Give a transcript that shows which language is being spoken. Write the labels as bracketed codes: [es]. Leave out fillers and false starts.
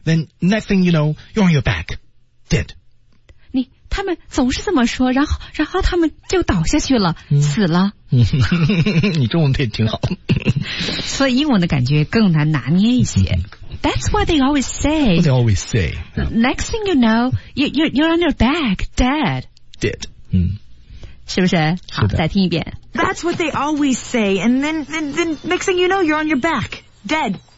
[en] Then next thing you know, you're on your back, dead. [zh] 他们总是这么说，然后他们就倒下去了，死了。你中文也挺好，所以英文的感觉更难拿捏一些。 [en] That's what they always say. What they always say. Next thing you know, you're on your back, dead. Dead. [zh] 是不是？好，是再听一遍。 [en] That's what they always say, and then next thing you know, you're on your back, dead.